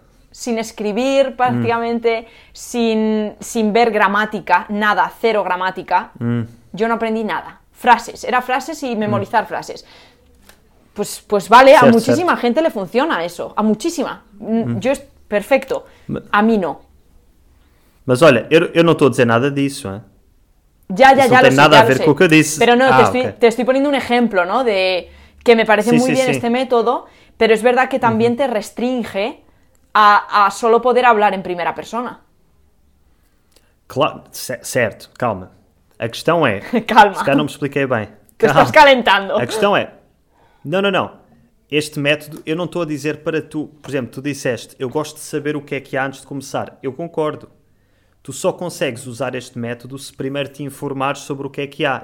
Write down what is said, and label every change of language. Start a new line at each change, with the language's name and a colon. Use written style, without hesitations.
Spanish: Sin escribir prácticamente, sin ver gramática, nada, cero gramática. Yo no aprendí nada. frases, era frases y memorizar frases. Pues vale, cierto, a muchísima cierto. Gente le funciona eso, a muchísima. Yo es perfecto, a mí no.
Portuguese: Mas olha, eu não estou a dizer nada disso, hein? Já, não tem nada sei, a ver com o que eu disse.
Spanish: Pero no, te estoy poniendo un ejemplo, ¿no? De que me parece sí, muy sí, bien sí. este método, pero es verdad que también te restringe a solo poder hablar en primera persona.
Portuguese: Claro, certo, calma. A questão é... calma. Se calhar não me expliquei bem.
Spanish: Te estás calentando.
Portuguese: A questão é... Não. Este método, eu não estou a dizer para tu... Por exemplo, tu disseste, eu gosto de saber o que é antes de começar. Eu concordo. Tu só consegues usar este método se primeiro te informares sobre o que há.